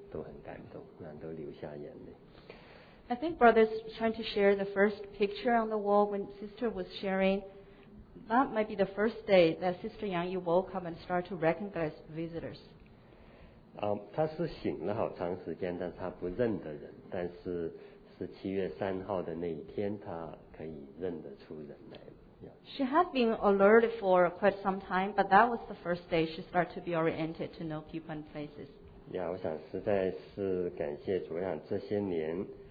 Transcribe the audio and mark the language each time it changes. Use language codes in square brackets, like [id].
[zh] 实在很感谢主，因为实在是主的恩典。刚才杨毅放的那个照片，第一个是7月3号，是那个15年那天是耿新他们到我们那边去看我们。那天是杨毅第一次认出人来，第一次可以把他们的孩子的名字叫出来，像我们那时候在的，我们都很感动，那都流下眼泪。 [en] I think brother's trying to share the first picture on the wall when sister was sharing. That might be the first day that Sister Yang Yi woke up and started to recognize visitors. [zh] 她是醒了好长时间，但是她不认得人。但是是7月3号的那一天，她可以认得出人来了。 [en] She had been alert for quite some time, but that was the first day she started to be oriented to know people and places. [zh] 我想实在是感谢主，我想这些年。